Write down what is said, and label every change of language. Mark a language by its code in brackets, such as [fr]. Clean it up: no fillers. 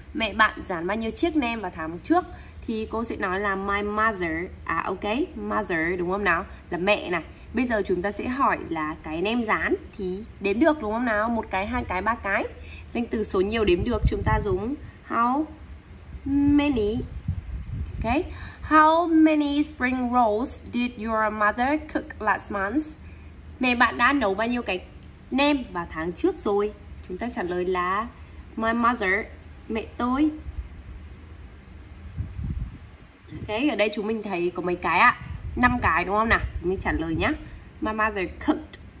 [vi] Mẹ bạn rán bao nhiêu chiếc nem vào tháng trước? Thì cô sẽ nói là my mother. À ok, mother đúng không nào? Là mẹ này. Bây giờ chúng ta sẽ hỏi là cái nem rán thì đếm được đúng không nào? Một cái, hai cái, ba cái. Danh từ số nhiều đếm được chúng ta dùng how many. [en] Ok, how many spring rolls did your mother cook last month? [vi] Mẹ bạn đã nấu bao nhiêu cái nem vào tháng trước rồi? Chúng ta trả lời là my mother, mẹ tôi. Okay, ở đây chúng mình thấy có mấy cái ạ? 5 cái đúng không nào? Chúng mình trả lời nhé. [en] My mother cooked.